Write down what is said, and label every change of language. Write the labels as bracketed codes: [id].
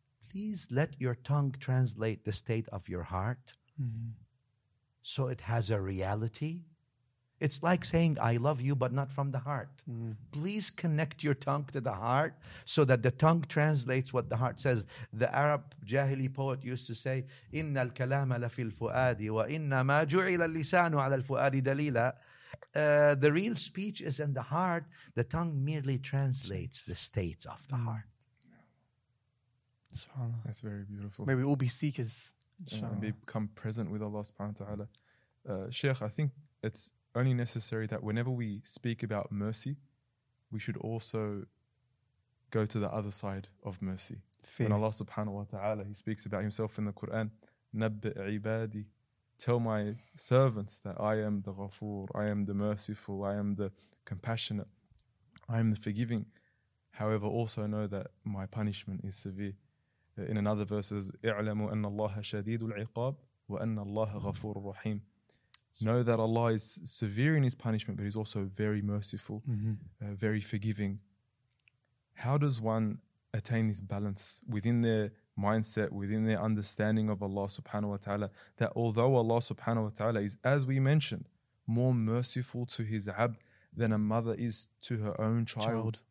[en] Please let your tongue translate the state of your heart mm-hmm. so it has a reality. It's like saying, I love you, but not from the heart. Mm. Please connect your tongue to the heart so that the tongue translates what the heart says. The Arab Jahili poet used to say, [ar] إِنَّ الْكَلَامَ لَفِي الْفُؤَادِ وَإِنَّ مَا جُعِلَ اللِّسَانُ عَلَى الْفُؤَادِ دَلِيلًا. [en] The real speech is in the heart. The tongue merely translates the states of the heart. SubhanAllah. That's very beautiful. May we all be seekers. And become present with Allah subhanahu wa ta'ala. Sheikh, I think it's only necessary that whenever we speak about mercy, we should also go to the other side of mercy. Fear. And Allah subhanahu wa ta'ala, He speaks about Himself in the Quran, [ar] نَبِّئْ عِبَادِي [en] tell my servants that I am the Ghafoor, I am the merciful, I am the compassionate, I am the forgiving. However, also know that my punishment is severe. In another verse, [ar] اعلموا أن الله شديد العقاب وأن الله غفور رحيم. [en] Know that Allah is severe in His punishment, but He's also very merciful, very forgiving. How does one attain this balance within their mindset, within their understanding of Allah subhanahu wa ta'ala, that although Allah subhanahu wa ta'ala is, as we mentioned, more merciful to His abd than a mother is to her own child.